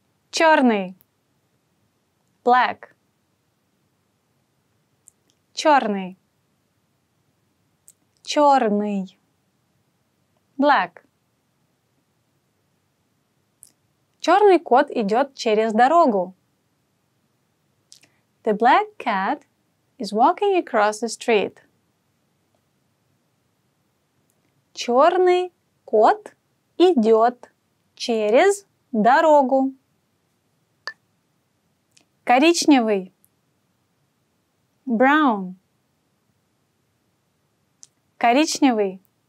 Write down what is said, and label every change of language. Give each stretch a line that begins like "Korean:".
Russian: Черный. Black. Черный. Черный. Black. Черный кот идет через дорогу.
English: The black cat is walking across the street.
Russian: Черный кот идет через дорогу. Коричневый. Brown. Коричневый.